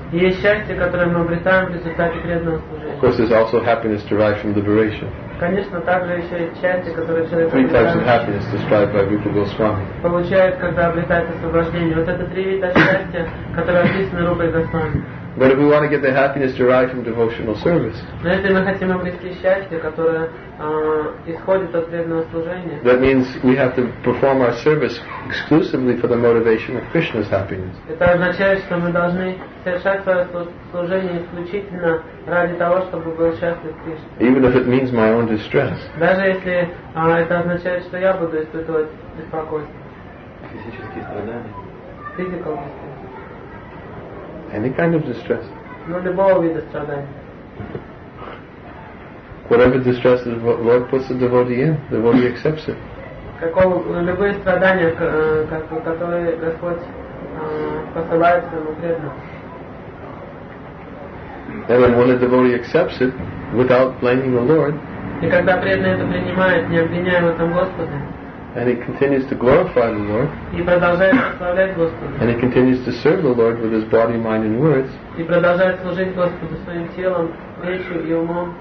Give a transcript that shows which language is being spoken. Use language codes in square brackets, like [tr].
[ru] Есть счастье, которое мы обретаем в результате преданного служения. [en] Of course, there's also happiness derived from liberation. [ru] Конечно, также еще есть счастье, которое человек получает. [en] Three types of happiness described by Rupa Goswami. [ru] Получает, когда обретает освобождение. Вот это три вида счастья, которые описаны Рупой Госвами. [en] But if we want to get the happiness derived from devotional service, that means we have to perform our service exclusively for the motivation of Krishna's happiness. [ru] Это означает, что мы должны совершать свое служение исключительно ради того, чтобы был счастлив Кришна. [en] Even if it means my own distress. [ru] Даже если это означает, что я буду испытывать беспокойство. Физические страдания. [en] Physical distress. Any kind of distress. No, the ball with the struggle. Whatever distress the Lord puts the devotee in, the devotee accepts it. [ru] Любые страдания, которые Господь посылает своему преданному. [en] And when the devotee accepts it, without blaming the Lord. [ru] И когда преданный это принимает, не обвиняя в этом Господа. [en] And he continues to glorify the Lord. [ru] И продолжает славить Господа. [en] And he continues to serve the Lord with his body, mind, and words. [ru] И продолжает служить Господу своим телом, речью и умом.